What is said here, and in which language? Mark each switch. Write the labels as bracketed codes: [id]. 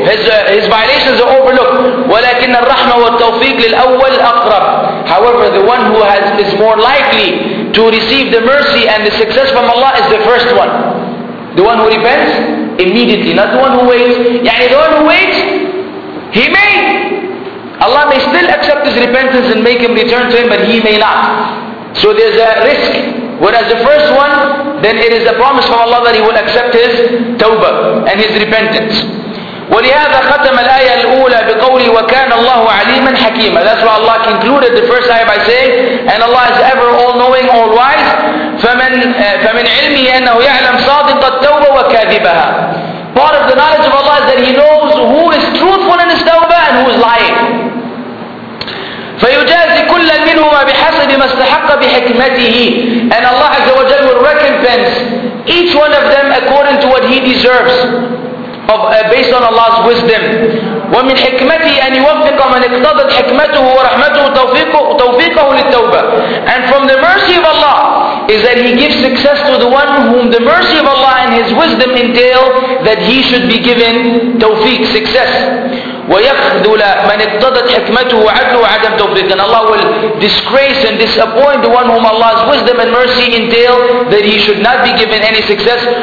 [en] His violations are overlooked. [ar] ولكن الرحمة والتوفيق للأول أقرب. [en] However, the one who is more likely to receive the mercy and the success from Allah is the first one. The one who repents immediately, not the one who waits. يعني the one who waits, he may. Allah may still accept his repentance and make him return to him, but he may not. So there's a risk. Whereas the first one, then it is a promise from Allah that he will accept his tawbah and his repentance. [ar] ولهذا ختم الآية الأولى بقوله وكان الله عليما حكيما. [en] That's why Allah concluded the first ayah by saying, and Allah is ever all-knowing, all-wise. [ar] فمن علمه أنه يعلم صادق التوبة وكاذبها. [en] Part of the knowledge of Allah is that He knows who is truthful in his tawbah and who is lying. [ar] فيجازي كل منهما بحسب ما استحق بحكمته. [en] And Allah عز وجل will recompense each one of them according to what he deserves, based on Allah's wisdom. [ar] ومن حكمته أن يوفق من اقتضت حكمته ورحمته توفيقه للتوبة. [en] And from the mercy of Allah is that He gives success to the one whom the mercy of Allah and His wisdom entail that he should be given tawfiq, success. [ar] ويخذل من اقتضت حكمته وعدله وعدم توفيقه. [en] And Allah will disgrace and disappoint the one whom Allah's wisdom and mercy entail that he should not be given any success.